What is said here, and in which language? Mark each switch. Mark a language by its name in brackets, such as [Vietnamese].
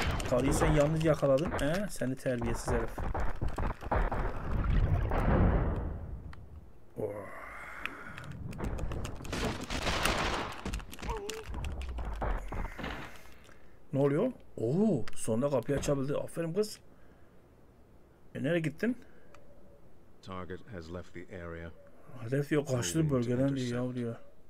[Turkish] Karıyı sen yalnız yakaladın. Seni terbiyesiz herif. Ne oluyor? Oo, sonunda kapıyı açabildi. Aferin kız. Nereye gittin? [English] Target has left the area. [Turkish] Hedef yok, kaçtı bölgeden diye yavruya.